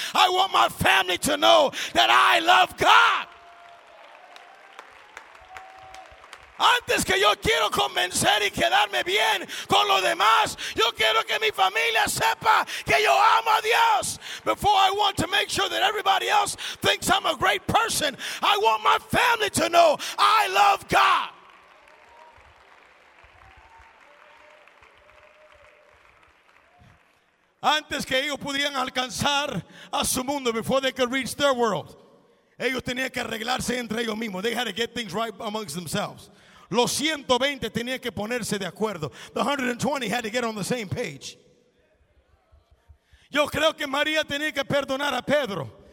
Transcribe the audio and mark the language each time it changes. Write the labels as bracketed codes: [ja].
[en] I want my family to know that I love God. [es] Antes que yo quiero convencer y quedarme bien con lo demás, yo quiero que mi familia sepa que yo amo a Dios. [en] Before I want to make sure that everybody else thinks I'm a great person, I want my family to know I love God. [es] Antes que ellos pudieran alcanzar a su mundo, [en] before they could reach their world, [es] ellos tenían que arreglarse entre ellos mismos. [en] They had to get things right amongst themselves. [es] Los 120 tenían que ponerse de acuerdo. [en] The 120 had to get on the same page. [es] Yo creo que María tenía que perdonar a Pedro.